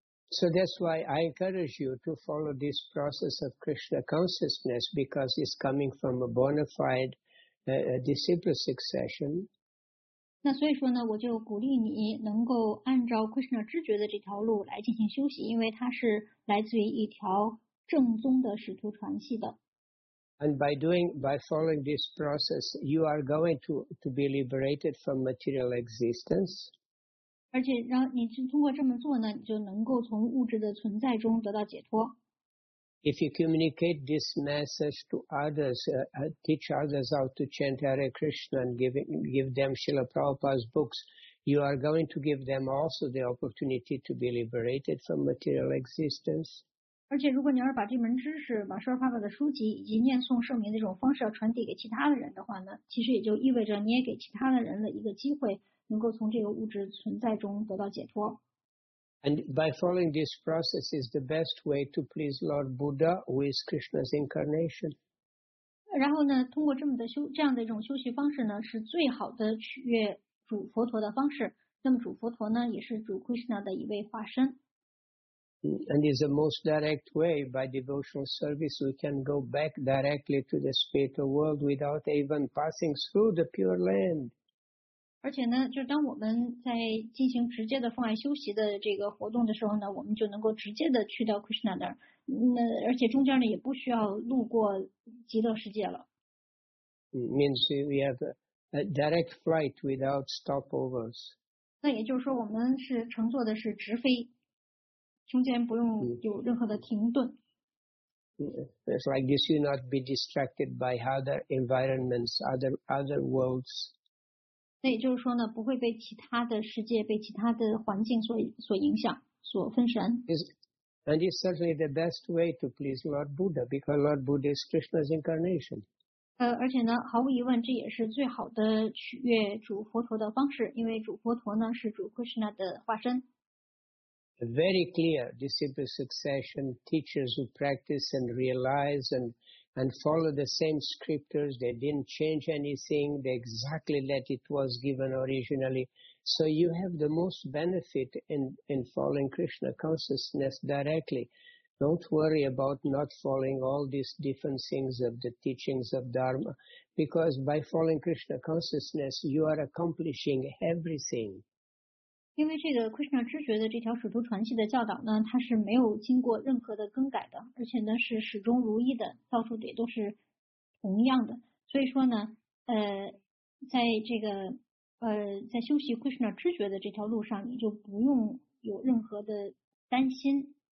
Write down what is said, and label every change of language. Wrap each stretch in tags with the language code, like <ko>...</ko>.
<en>So that's why I encourage you to follow this process of Krishna consciousness because it's coming from a bona fide disciple succession.</en> <zh>那所以说呢，我就鼓励你能够按照 Krishna 知觉的这条路来进行修习，因为它是来自于一条正宗的使徒传系的。</zh> <en>And by following this process, you are going to be liberated from material existence.</en> <zh>而且让你通过这么做呢，你就能够从物质的存在中得到解脱。</zh> <en>If you communicate this message to others, teach others how to chant Hare Krishna and give them Srila Prabhupada's books, you are going to give them also the opportunity to be liberated from material existence.</en> <zh>而且如果你要是把这门知识、把Srila Prabhupada的书籍以及念诵圣名的这种方式要传递给其他的人的话呢，其实也就意味着你也给其他的人了一个机会。能够从这个物质存在中得到解脱。</zh> <en>And by following this process is the best way to please Lord Buddha, who is Krishna's incarnation.</en> <zh>然后呢，通过这样的一种修习方式呢，是最好的取悦主佛陀的方式。那么主佛陀呢，也是主 Krishna 的一位化身。</zh> <en>And is the most direct way by devotional service we can go back directly to the spiritual world without even passing through the pure land.</en> <zh>而且呢，就是当我们在进行直接的放爱休息的这个活动的时候呢，我们就能够直接的去到 Krishna 那儿，那而且中间呢也不需要路过极乐世界了。</zh> <en>Means we have a direct flight without stopovers.</en> <zh>那也就是说，我们是乘坐的是直飞，中间不用有任何的停顿。</zh> <en>It's like this, you not be distracted by other environments, other worlds.</en> <zh>那也就是说呢，不会被其他的世界、被其他的环境所影响、所分神。</zh> <en>And it's certainly the best way to please Lord Buddha, because Lord Buddha is Krishna's incarnation.</en> <zh>而且呢，毫无疑问，这也是最好的取悦主佛陀的方式，因为主佛陀呢是主 Krishna 的化身。</zh> <en>Very clear, disciple succession teachers who practice and realize and follow the same scriptures, they didn't change anything, they exactly let it was given originally. So you have the most benefit in following Krishna consciousness directly. Don't worry about not following all these different things of the teachings of Dharma, because by following Krishna consciousness, you are accomplishing everything.</en> <zh>因为这个 Krishna 知觉的这条使徒传系的教导呢，它是没有经过任何的更改的，而且呢是始终如一的，到处也都是同样的。所以说呢，在这个在修习 Krishna 知觉的这条路上，你就不用有任何的担心。</zh>